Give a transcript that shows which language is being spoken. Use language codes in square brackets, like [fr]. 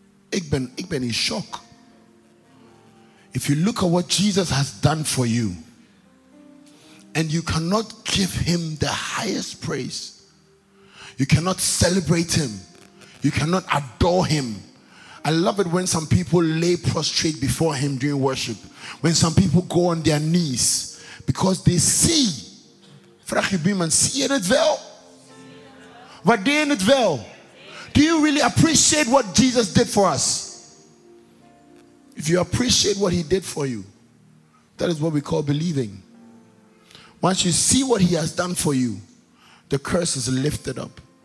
[nl] Ik ben in shock. [en] If you look at what Jesus has done for you, and you cannot give him the highest praise, you cannot celebrate him, you cannot adore him. I love it when some people lay prostrate before him during worship, when some people go on their knees, because they see. [nl] Vraag je buurman, zie je het wel? [en] But they in it well. Do you really appreciate what Jesus did for us? If you appreciate what he did for you, that is what we call believing. Once you see what he has done for you, the curse is lifted up.